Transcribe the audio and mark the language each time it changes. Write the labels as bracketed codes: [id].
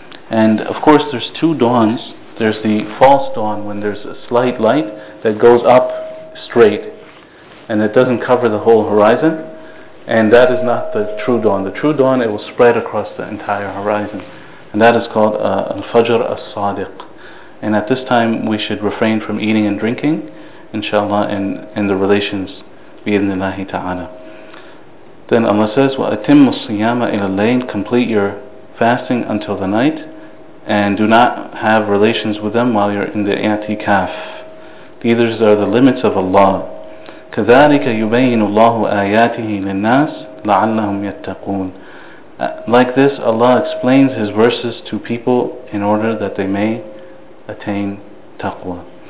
[en] And of course there's two dawns. There's the false dawn, when there's a slight light that goes up straight and it doesn't cover the whole horizon. And that is not the true dawn. The true dawn, it will spread across the entire horizon. And that is called al-fajr as-sadiq. And at this time, we should refrain from eating and drinking, inshallah, and the relations, bi-idhnillahi ta'ala. Then Allah says, [ar] وَأَتِمُّ الصِّيَامَ إِلَى اللَّيْلِ. [en] Complete your fasting until the night, and do not have relations with them while you're in the i'tikaf. These are the limits of Allah. [ar] كَذَٰلِكَ يُبَيِّنُ اللَّهُ آيَاتِهِ لِلنَّاسِ لَعَلَّهُمْ يَتَّقُونَ. [en] Like this, Allah explains His verses to people in order that they may attain taqwa.